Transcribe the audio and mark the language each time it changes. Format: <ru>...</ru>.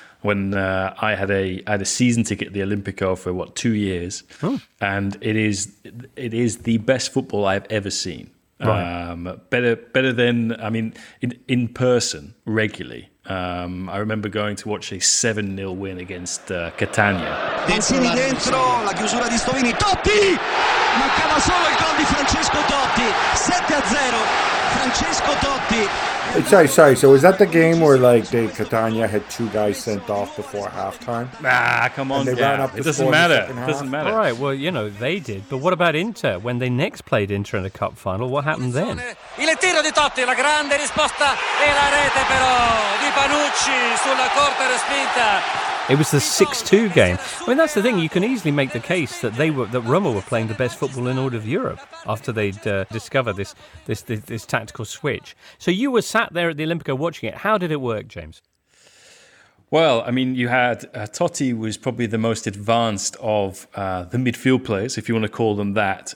<en>When I had a season ticket at the Olimpico for, 2 years? Oh. And it is the best football I've ever seen. Right. Better than, I mean, in person, regularly. I remember going to watch a 7-0 win against Catania.</en> <it>Densini dentro, la chiusura di Stovini, Totti! Mancava solo il gol di Francesco Totti, 7-0, Francesco Totti.</it> <en>Sorry, so was that the game where, like, Dave Catania had two guys sent off before halftime? Nah, come on, yeah. It doesn't matter. All right, well, you know, they did. But what about Inter? When they next played Inter in a cup final, what happened then?</en> <it>Il tiro di Totti, la grande risposta e la rete, però, di Panucci sulla corta respinta.</it> <en>It was the 6-2 game. I mean, that's the thing. You can easily make the case that Roma were playing the best football in all of Europe after they'd discovered this tactical switch. So you were sat there at the Olimpico watching it. How did it work, James? Well, I mean, you had Totti was probably the most advanced of the midfield players, if you want to call them that.</en>